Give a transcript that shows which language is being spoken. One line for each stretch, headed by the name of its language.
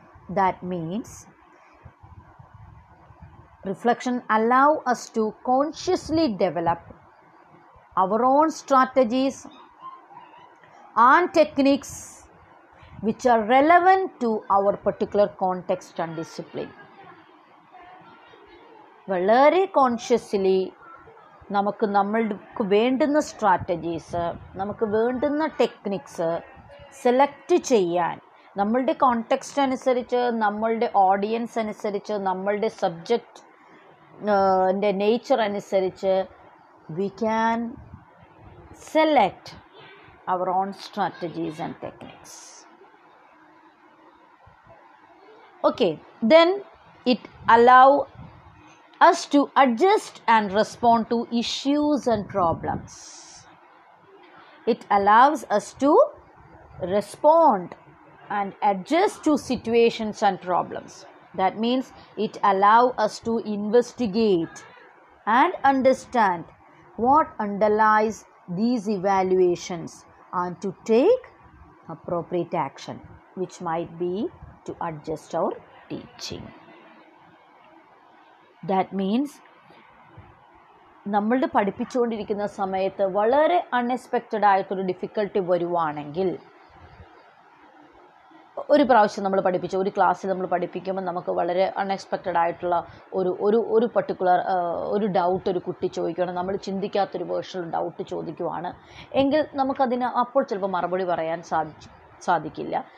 English: That means reflection allows us to consciously develop our own strategies and techniques which are relevant to our particular context and discipline.
Malayalam: വളരെ consciously നമുക്ക് നമ്മൾക്ക് വേണ്ടുന്ന strategies, നമുക്ക് വേണ്ടുന്ന techniques select ചെയ്യാൻ, നമ്മളുടെ context അനുസരിച്ച്, നമ്മളുടെ ഓഡിയൻസ് അനുസരിച്ച്, നമ്മളുടെ സബ്ജക്റ്റിൻ്റെ നേച്ചർ അനുസരിച്ച്
English: We can select our own strategies and techniques. Okay, then it allow us to adjust and respond to issues and problems. It allows us to respond and adjust to situations and problems. That means it allows us to investigate and understand what underlies these evaluations and to take appropriate action, which might be to adjust our teaching. That means
Malayalam: നമ്മളുടെ പഠിപ്പിച്ചുകൊണ്ടിരിക്കുന്ന സമയത്ത് വളരെ unexpected ആയിട്ടൊരു difficulty വരുവാണെങ്കിൽ, ഒരു പ്രാവശ്യം നമ്മൾ പഠിപ്പിച്ച ഒരു ക്ലാസ്സിൽ നമ്മൾ പഠിപ്പിക്കുമ്പോൾ നമുക്ക് വളരെ അൺഎക്സ്പെക്റ്റഡ് ആയിട്ടുള്ള ഒരു ഒരു ഒരു പർട്ടിക്കുലർ ഒരു ഡൗട്ട് ഒരു കുട്ടി ചോദിക്കുകയാണ്, നമ്മൾ ചിന്തിക്കാത്തൊരു പേഴ്സണൽ ഡൗട്ട് ചോദിക്കുവാണ് എങ്കിൽ നമുക്കതിന് അപ്പോൾ ചിലപ്പോൾ മറുപടി പറയാൻ സാധിക്കില്ല.